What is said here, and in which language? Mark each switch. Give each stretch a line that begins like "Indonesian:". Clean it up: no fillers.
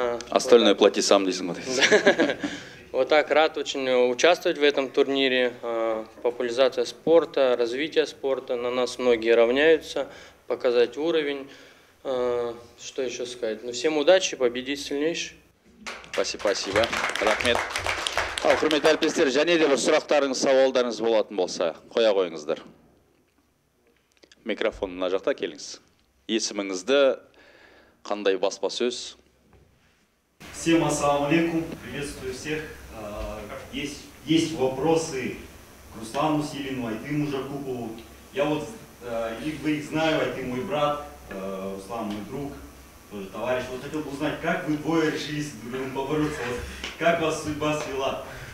Russian: Остальное вот плати сам, не смотри. Вот так, рад очень участвовать в этом турнире. Популяризация спорта, развитие спорта. На нас многие равняются. Показать уровень. Что еще сказать? Ну, всем удачи, победить сильнейший. Спасибо, спасибо. Рахмет.
Kazakh: Құрметті әріптестер, және де бір сұрақтарыңыз, сауалдарыңыз болатын болса, қоя қойыңыздар. Микрофон мына жақта келіңіз. Есіміңізді, қандай баспасөз?
Russian: Всем ассаламу алейкум, приветствую всех. Есть вопросы к Руслану Силину, Айтыму Жакупову. Я вот их бы их знаю, Айты мой брат, Руслан мой друг, тоже товарищ. Вот хотел бы узнать, как вы двое решились друг другом побороться? Вот, как вас судьба свела?